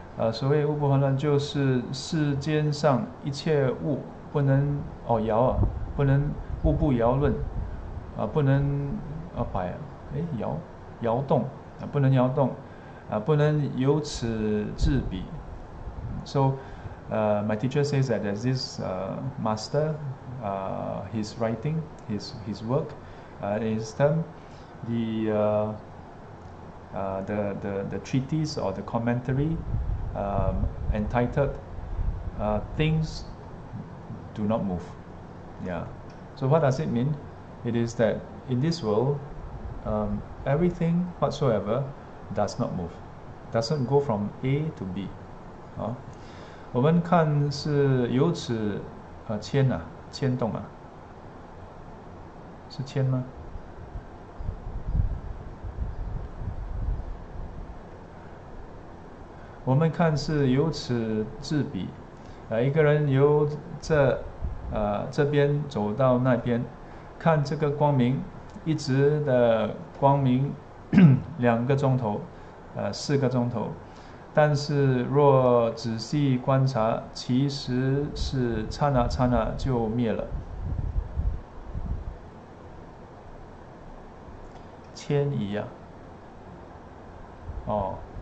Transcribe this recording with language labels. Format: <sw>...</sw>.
<zh>所谓物不还论，就是世间上一切物不能哦摇啊，不能物不摇论，不能摆，摇动，不能摇动，不能由此至彼。</zh> <en>So, my teacher says that there's this master, his writing, his work, in his term, the treatise or the commentary. Entitled Things Do Not Move. Yeah. So what does it mean? It is that in this world, everything whatsoever does not move. Doesn't go from A to B.</en> <zh>我们看是由此牵啊，牵动啊。是牵吗？我们看是由此至彼，一个人由这边走到那边，看这个光明，一直的光明 2个钟头，4个钟头，但是若仔细观察，其实是刹那刹那就灭了，迁移呀，哦。</zh>